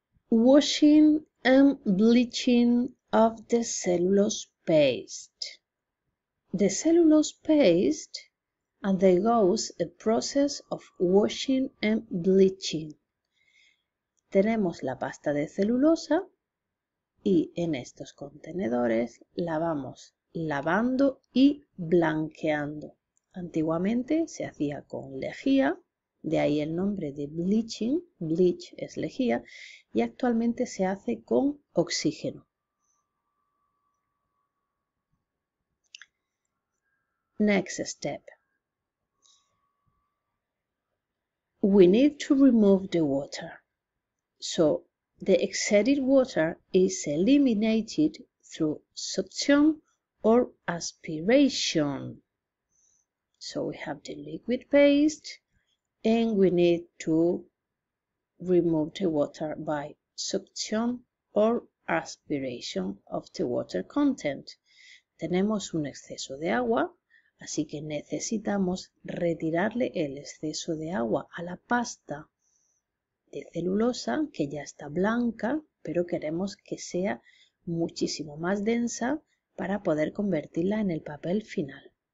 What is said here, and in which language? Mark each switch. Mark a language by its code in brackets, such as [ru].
[en] Washing and bleaching of the cellulose paste. The cellulose paste undergoes a process of washing and bleaching. [es] Tenemos la pasta de celulosa y en estos contenedores la vamos lavando y blanqueando. Antiguamente se hacía con lejía, de ahí el nombre de bleaching, bleach es lejía, y actualmente se hace con oxígeno. [en] Next step. We need to remove the water. So the excess water is eliminated through suction or aspiration. So we have the liquid paste and we need to remove the water by succion or aspiration of the water content. [es] Tenemos un exceso de agua, así que necesitamos retirarle el exceso de agua a la pasta de celulosa, que ya está blanca, pero queremos que sea muchísimo más densa para poder convertirla en el papel final.